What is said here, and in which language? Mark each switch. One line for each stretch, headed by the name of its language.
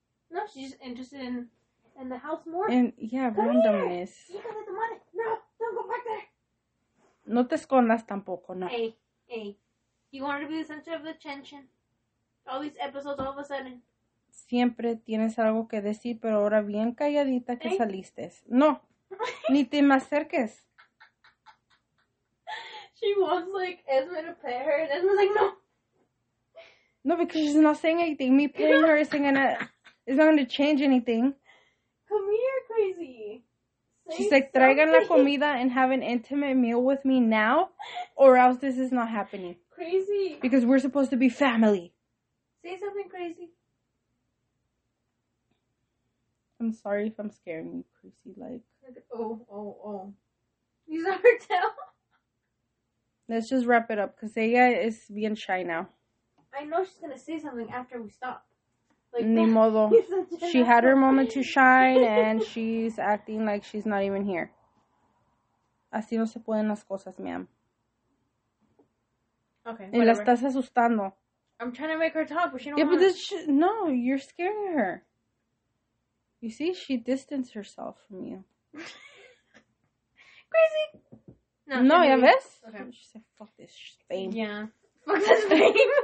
English: No, she's interested in the house more. And yeah, come randomness. Here. You got the money. No, don't go back there.
Spanish: No te escondas tampoco, no.
English: Hey, hey. You want to be the center of the attention. All these episodes all of a sudden.
Spanish: Siempre tienes algo que decir, pero ahora bien calladita que hey. Saliste. No. Ni te me acerques.
English: She wants, like, Esme to pay her, and Esme's like, no. No, because she's not saying anything. Me paying her isn't gonna, it's not gonna change anything. Come here, crazy. Say she's like, traigan la comida and have an intimate meal with me now, or else this is not happening. Crazy. Because we're supposed to be family. Say something crazy. I'm sorry if I'm scaring you, crazy. Like, oh. You saw her tail? Let's just wrap it up, because Aya is being shy now. I know she's gonna say something after we stop.
Spanish: Like, ni modo.
English: She had her moment to shine, and she's acting like she's not even here.
Spanish: Así no se pueden las cosas, ma'am.
English: Okay.
Spanish: Y la estás asustando.
English: I'm trying to make her talk, but she don't. Yeah, want but this. No, you're scaring her. You see, she distanced herself from you. Crazy.
Spanish: No, ya ves.
English: Okay. She said, "Fuck this fame." Yeah. Fuck this fame.